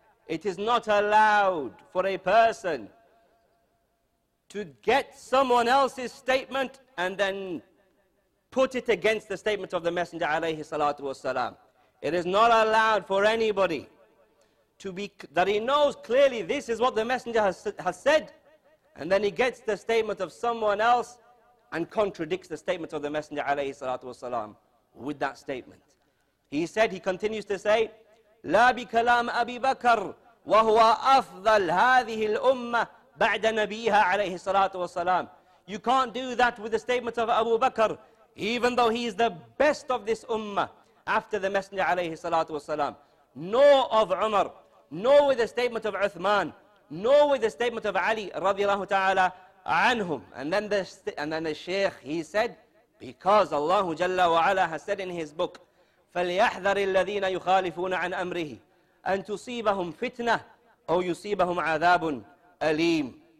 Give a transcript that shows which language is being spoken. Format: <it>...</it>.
<en>It is not allowed for a person to get someone else's statement and then put it against the statement of the Messenger</en> <ar>عليه الصلاة والسلام.</ar> <en>It is not allowed for anybody to be that he knows clearly this is what the Messenger has said, and then he gets the statement of someone else and contradicts the statement of the Messenger</en> <ar>عليه الصلاة والسلام</ar> <en>with that statement. He said, he continues to say,</en> <ar>لا بكلام أبي بكر وهو أفضل هذه الأمة بعد نبيها عليه الصلاة والسلام.</ar> <en>You can't do that with the statement of Abu Bakr, even though he is the best of this ummah after the Messenger</en> <ar>عليه الصلاة والسلام.</ar> <en>Nor of Umar, nor with the statement of Uthman, nor with the statement of Ali</en> <ar>رضي الله تعالى عنهم.</ar> <en>And then the Shaykh, he said, because Allah</en> <ar>جل وعلا</ar> <en>has said in his book,</en> <ar>فَلْيَحْذَرِ الَّذِينَ يُخَالِفُونَ عَنْ أَمْرِهِ أَنْ تُصِيبَهُمْ فِتْنَةً أَوْ يُصِيبَهُمْ عَذَابٌ أَلِيمٌ.</ar>